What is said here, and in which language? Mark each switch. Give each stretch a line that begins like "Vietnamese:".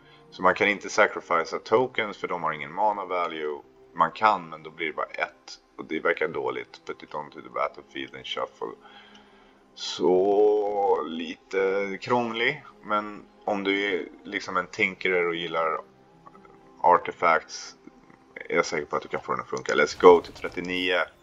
Swedish: Så man kan inte sacrifice tokens för de har ingen mana value. Man kan, men då blir det bara 1. Och det verkar dåligt.
English: Put it onto the battlefield and shuffle.
Swedish: Så lite krånglig, men om du är liksom en tinkerer och gillar artifacts, är jag säker på att du kan få den att funka.
English: Let's go
Swedish: till 39.